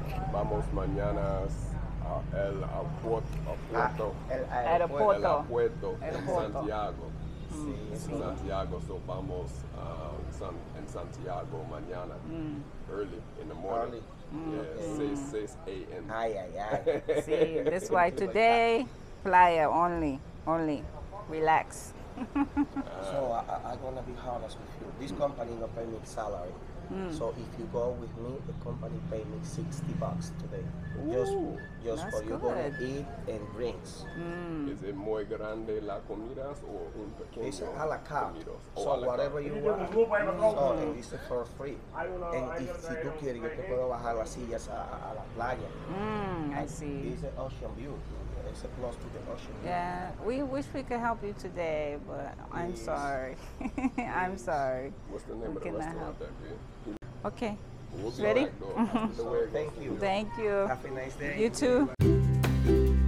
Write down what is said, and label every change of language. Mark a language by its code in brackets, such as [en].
[es] Vamos mañana al aeropuerto. El aeropuerto. Santiago. Sí. Santiago, so vamos en Santiago mañana. [en] Early in the morning. Early. Yeah, 6 a.m. Ay, ay, ay. See, this why today, playa only. Relax. So I'm going to be honest with you. This company no pay me salary. So if you go with me, the company pay me $60 today. Ooh, just for you going to eat and drinks. Is it [es] muy grande la comida [en] or [es] un pequeño? [en] It's a la carte. So whatever you want. So and this is for free. And if you [es] quiere, yo te puedo bajar las sillas a la playa. [en] I see. It's an ocean view. It's a plus to the ocean view. Yeah, we wish we could help you today, but please. I'm sorry. I'm sorry. What's the name of the restaurant that Okay. We'll ready? Right, Thank you. Have a nice day. You too.